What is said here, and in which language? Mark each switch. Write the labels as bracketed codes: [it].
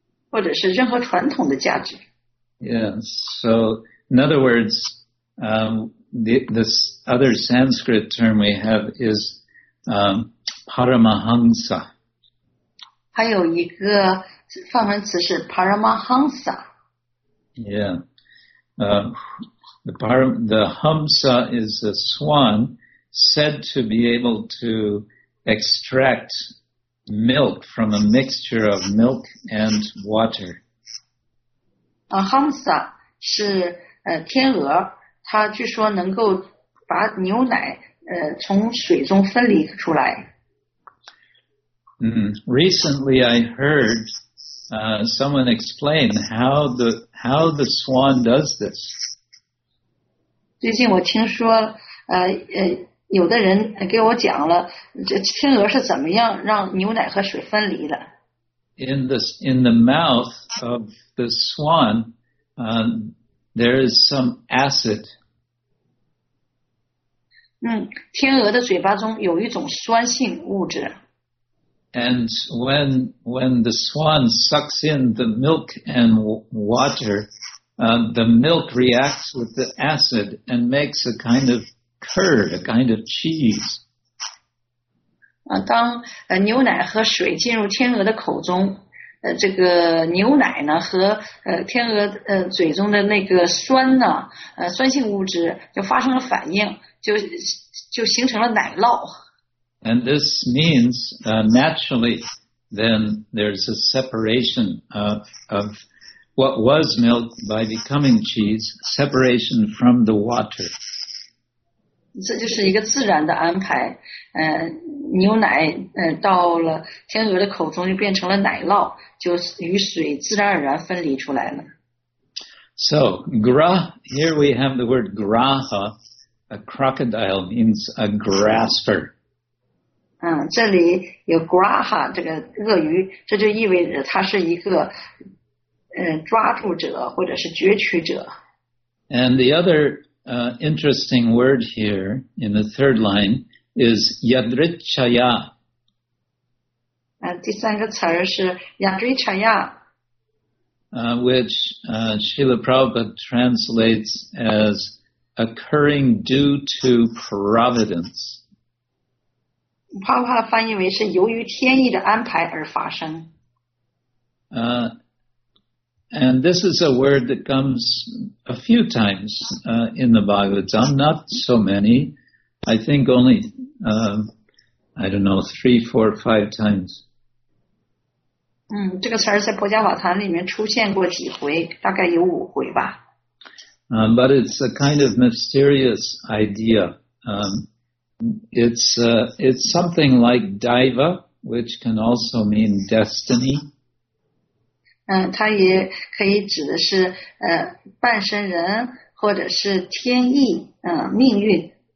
[zh] 或者是任何传统的价值。 [en] Yes, so in other words, this other Sanskrit term we have is Paramahansa. [zh] 还有一个梵文词是 Paramahansa. [en] Yeah. The Hamsa is a swan said to be able to extract milk from a mixture of milk and water. [zh] Hamsa 是天鹅，它据说能够把牛奶从水中分离出来。 [en] Recently I heard someone explain how the swan does this. [zh] 最近我听说有的人给我讲了这天鹅是怎么样让牛奶和水分离的。 [en] In the mouth of the swan, there is some acid. [zh] 天鹅的嘴巴中有一种酸性物质。 [en] And when the swan sucks in the milk and water, the milk reacts with the acid and makes a kind of curd, a kind of cheese. [zh] 当牛奶和水进入天鹅的口中，这个牛奶呢和天鹅嘴中的那个酸呢，酸性物质就发生了反应，就形成了奶酪。 [en] And this means, naturally, then there's a separation of what was milk by becoming cheese, separation from the water. [zh] 这就是一个自然的安排。牛奶到了天鹅的口中就变成了奶酪，就与水自然而然分离出来了。 [en] So, here we have the word graha, a crocodile means a grasper. [zh] 这里有 graha 这个鳄鱼，这就意味着它是一个抓住者或者是攫取者。 [en] And the other interesting word here in the third line is yadrichaya. [zh] 第三个词儿是 yadrichaya, [en] which Srila Prabhupada translates as occurring due to providence. [zh] 帕帕的翻译为是由于天意的安排而发生。 [en] And this is a word that comes a few times in the Bhagavatam, not so many. I think only, I don't know, three, four, five times. [zh] 这个词儿在《薄伽瓦坛》里面出现过几回，大概有五回吧。 [en] But it's a kind of mysterious idea. It's something like Daiva, which can also mean destiny. [zh] 它也可以指的是半身人或者是天意命运。